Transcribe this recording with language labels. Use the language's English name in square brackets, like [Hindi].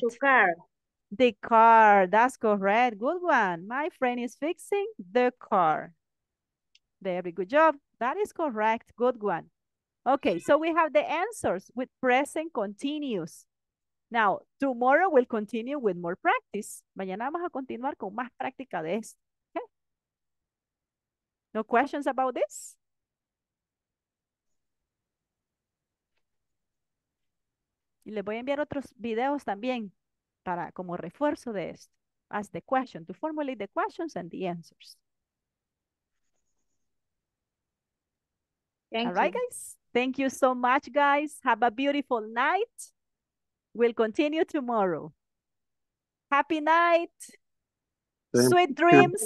[English] The car. The car. That's correct. Good one. My friend is fixing the car. Very good job. That is correct. Good one. Okay, so we have the answers with present continuous. Now, tomorrow we'll continue with more practice. [Spanish] Mañana vamos a continuar con más práctica de esto. Okay. [English] No questions about this? [Spanish] Y les voy a enviar otros videos también para como refuerzo de esto. [English] Ask the question, to formulate the questions and the answers. Thank All right, you. Guys. Thank you so much, guys. Have a beautiful night. We'll continue tomorrow. Happy night. Thank Sweet you. Dreams.